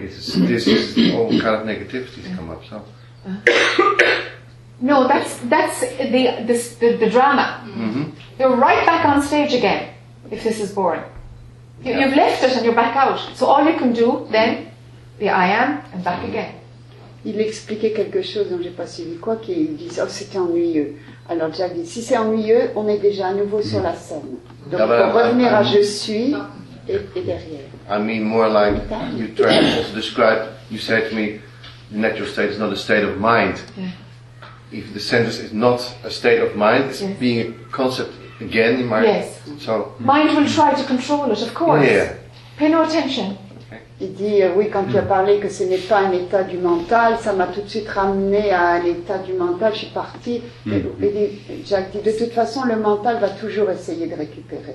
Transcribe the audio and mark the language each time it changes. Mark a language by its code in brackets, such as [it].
[en] This is all kind of negativities come up, so. No, that's the drama. Mm-hmm. You're right back on stage again, if this is boring. You've left it and you're back out. So all you can do then, the I am, and back again. [fr] Il expliquait quelque chose dont j'ai pas suivi quoi, qui disait, oh c'était ennuyeux. Alors Jack dit, si c'est ennuyeux, on est déjà à nouveau sur la scène. Donc pour revenir à je suis, et derrière. [en] I mean more like, you try to describe, you said to me, the natural state is not a state of mind. Yeah. If the sentence is not a state of mind, it's being a concept again in my mind. So, mind will try to control it, of course. Yeah. Pay no attention. [fr] Il dit, oui, quand tu as parlé que ce n'est pas un état du mental, ça m'a tout de suite ramené à l'état du mental, je suis partie. Mm-hmm. Et Jack dit, de toute façon, le mental va toujours essayer de récupérer.